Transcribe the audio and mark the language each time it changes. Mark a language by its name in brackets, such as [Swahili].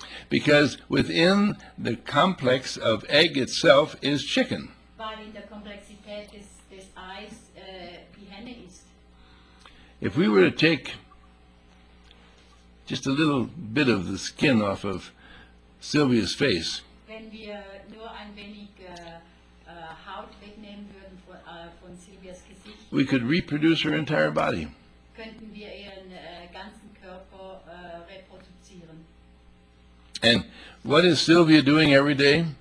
[English] Because within the complex of egg itself is chicken. [German] Weil in der Komplexität des Eis die Henne ist. [English] If we were to take just a little bit of the skin off of Sylvia's face. [German] Wenn wir nur ein wenig Haut wegnehmen würden von Sylvias Gesicht. [English] We could reproduce her entire body. [German] Könnten wir ihren ganzen Körper reproduzieren. [English] And what is Sylvia doing every day?